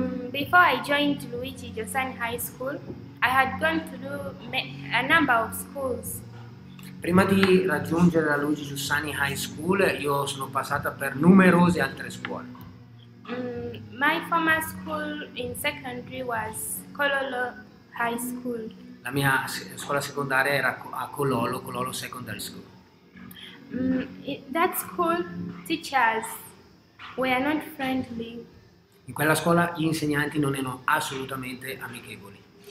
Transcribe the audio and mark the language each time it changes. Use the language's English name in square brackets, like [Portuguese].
[English] Before I joined Luigi Giussani High School, I had gone to do a number of schools. [Italian] Prima di raggiungere la Luigi Giussani High School, io sono passata per numerose altre scuole. [English] My former school in secondary was Kololo High School. [Italian] La mia scuola secondaria era a Kololo Secondary School. [English] That school teachers were not friendly. [Italian] In quella scuola gli insegnanti non erano assolutamente amichevoli.